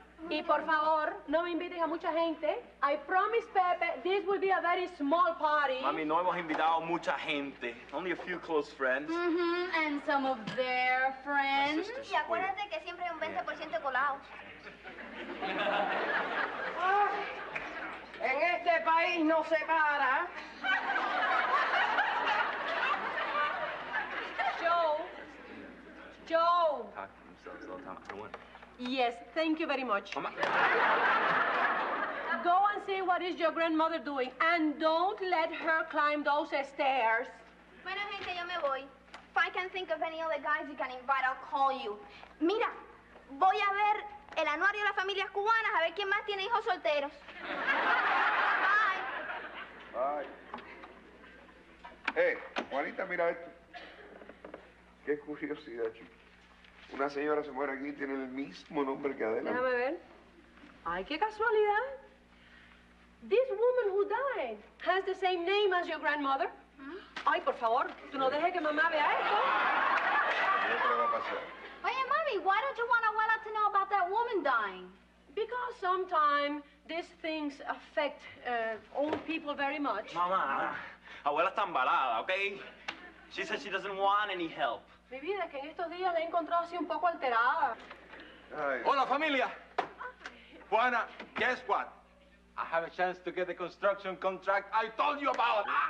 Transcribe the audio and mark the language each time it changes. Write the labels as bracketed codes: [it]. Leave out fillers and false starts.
[es] Y por favor, no me invites a mucha gente. [en] I promise, Pepe, this will be a very small party. [es] Mami, no hemos invitado mucha gente. Only a few close friends. [en] Mm-hmm, and some of their friends. [es] Y acuérdate que siempre hay un 20% colado. En este país no se para. [en] Joe. Talk to themselves all the time. I want. Yes, thank you very much. Go and see what is your grandmother doing, and don't let her climb those stairs. [es] Bueno, gente, yo me voy. [en] If I can think of any other guys you can invite, I'll call you. [es] Mira, voy a ver el anuario de las familias cubanas, a ver quién más tiene hijos solteros. [en] Bye. [es] Bye. Hey, Juanita, mira esto. Qué curiosidad, chico. Una señora se muere aquí y tiene el mismo nombre que Adela. Déjame ver. Ay, qué casualidad. [en] This woman who died has the same name as your grandmother. ¿Mm? [es] Ay, por favor, tú no dejes que mamá vea esto. ¿Qué va a pasar? [en] Oye, mami, why don't you want Abuela to know about that woman dying? Because sometimes these things affect old people very much. Mamá, Abuela está embalada, ¿ok? She says she doesn't want any help. [es] Mi vida, es que en estos días la he encontrado así un poco alterada. Ay. Hola, familia. Ay. Juana, guess what? [en] I have a chance to get the construction contract I told you about.